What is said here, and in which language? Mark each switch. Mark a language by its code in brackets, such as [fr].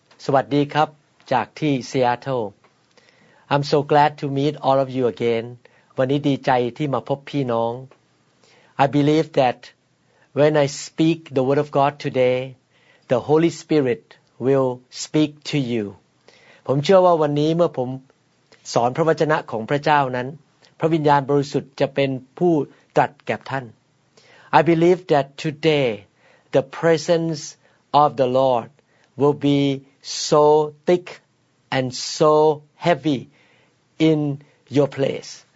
[th] สวัสดีครับจากที่ Seattle. [en] I'm so glad to meet all of you again. [th] วันนี้ดีใจที่มาพบพี่น้อง [en] I believe thatWhen I speak the word of God today, the Holy Spirit will speak to you. [th] ผมเชื่อว่าวันนี้เมื่อผมสอนพระวจนะของพระเจ้านั้นพระวิญญาณบริสุทธิ์จะเป็นผู้ตรัสแก่ท่าน [en] I believe that today the presence of the Lord will be so thick and so heavy in your place.